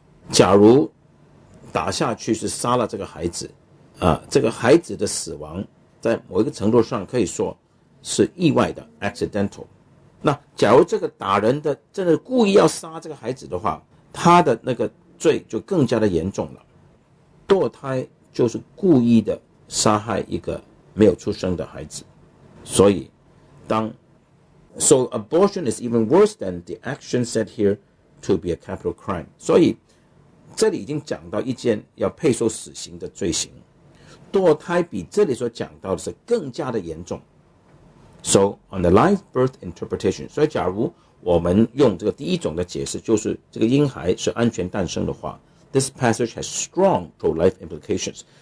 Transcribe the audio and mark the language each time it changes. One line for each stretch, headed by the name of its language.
Chinese: 假如打下去是杀了这个孩子啊，这个孩子的死亡在某一个程度上可以说是意外的 accidental。那假如这个打人的真的故意要杀这个孩子的话，他的那个罪就更加的严重了。堕胎就是故意的杀害一个没有出生的孩子，所以当
English: So abortion is even worse than the action said here to be a capital crime。
Chinese: 所以这里已经讲到一件要配受死刑的罪行，堕胎比这里所讲到的是更加的严重。
English: So on the live birth interpretation，
Chinese: 所以假如我们用这个第一种的解释，就是这个婴孩是安全诞生的话，
English: This passage has strong pro-life implications。